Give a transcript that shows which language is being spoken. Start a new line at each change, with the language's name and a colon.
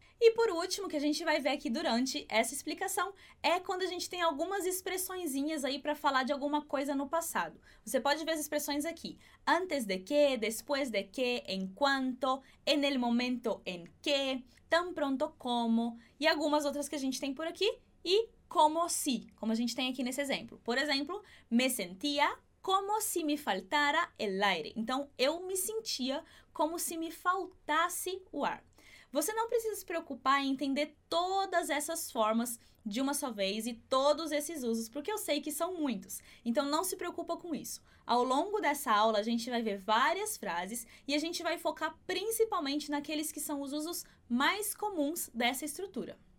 Portuguese: E por último, que a gente vai ver aqui durante essa explicação, é quando a gente tem algumas expressõezinhas aí para falar de alguma coisa no passado. Você pode ver as expressões aqui. Antes de que, depois de que, enquanto,
Spanish: en el momento en que, tan pronto como,
Portuguese: e algumas outras que a gente tem por aqui. E como si, como a gente tem aqui nesse exemplo. Por exemplo,
Spanish: me sentía como si me faltara el aire.
Portuguese: Então, eu me sentia como si me faltasse o ar. Você não precisa se preocupar em entender todas essas formas de uma só vez e todos esses usos, porque eu sei que são muitos. Então, não se preocupa com isso. Ao longo dessa aula, a gente vai ver várias frases e a gente vai focar principalmente naqueles que são os usos mais comuns dessa estrutura.